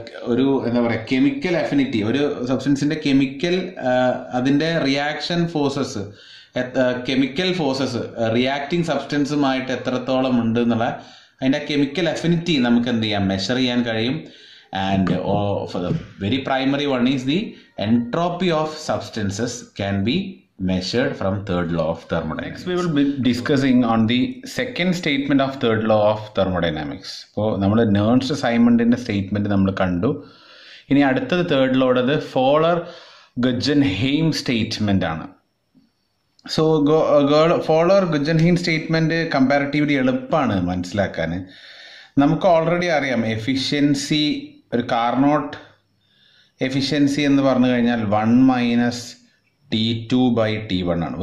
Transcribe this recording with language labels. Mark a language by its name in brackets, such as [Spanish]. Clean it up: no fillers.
[Malayalam] ഒരു എന്താ പറയുക, കെമിക്കൽ അഫിനിറ്റി, ഒരു സബ്സ്റ്റൻസിൻ്റെ കെമിക്കൽ അതിൻ്റെ reaction forces chemical forces reacting സബ്സ്റ്റൻസുമായിട്ട് എത്രത്തോളം ഉണ്ട് എന്നുള്ള അതിൻ്റെ കെമിക്കൽ അഫിനിറ്റി നമുക്ക് എന്ത് ചെയ്യാം, മെഷർ ചെയ്യാൻ കഴിയും. [English] And for the very primary one is the entropy of substances can be measured from third law of thermodynamics. We will be discussing on the second statement of third law of thermodynamics. [Malayalam] So, നമ്മള് നേർസ്റ്റ് സൈമണ്ടിന്റെ statement നമ്മൾ കണ്ടു. ഇനി അടുത്തത് third law ഉള്ളത് ഫോളർ ഗുജൻഹെയിം statement ആണ്. So ഫോളർ ഗുജൻഹെയിം statement comparatively എളുപ്പമാണ് മനസ്സിലാക്കാൻ. നമുക്ക് ഓൾറെഡി അറിയാം എഫിഷ്യൻസി, ഒരു കാർനോട്ട് എഫിഷ്യൻസി എന്ന് പറഞ്ഞു കഴിഞ്ഞാൽ 1 - T2/T1 ആണ്.